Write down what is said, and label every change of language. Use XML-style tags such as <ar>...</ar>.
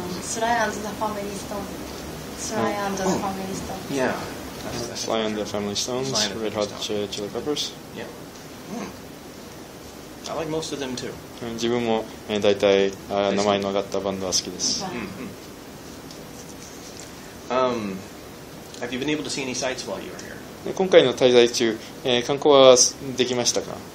<en>Sly and the Family Stones. Sly and the Family Stones. Yeah. That's Sly and the Family Stones. Red Hot Chili Peppers. Yeah. I like most of them too.</en> <ja>自分も大体名前の上がったバンドは好きです。</ja> <en>Have you been able to see any sights while you were here?</en> <ja>今回の滞在中、観光はできましたか？</ja>